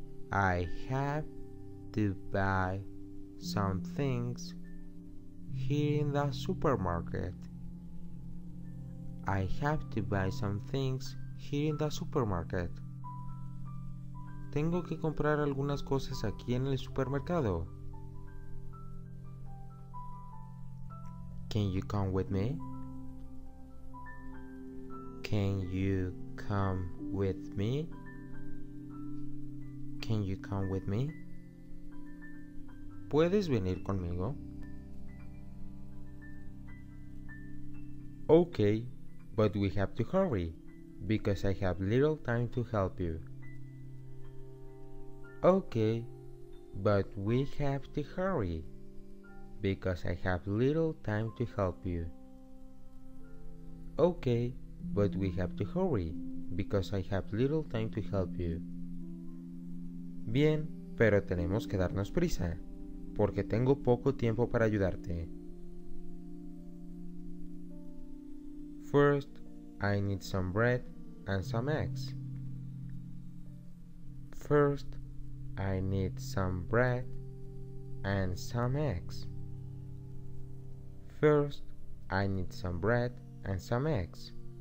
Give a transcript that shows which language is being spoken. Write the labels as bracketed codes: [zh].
[en] I have to buy some things here in the supermarket. I have to buy some things here in the supermarket. [es] Tengo que comprar algunas cosas aquí en el supermercado. [en] Can you come with me? Can you come with me? Can you come with me? [es] ¿Puedes venir conmigo? [en] Okay, but we have to hurry because I have little time to help you. Okay, but we have to hurry because I have little time to help you. Okay, but we have to hurry because I have little time to help you. [es] Bien, pero tenemos que darnos prisa porque tengo poco tiempo para ayudarte. [en] First, I need some bread and some eggs. First, I need some bread and some eggs. First, I need some bread and some eggs.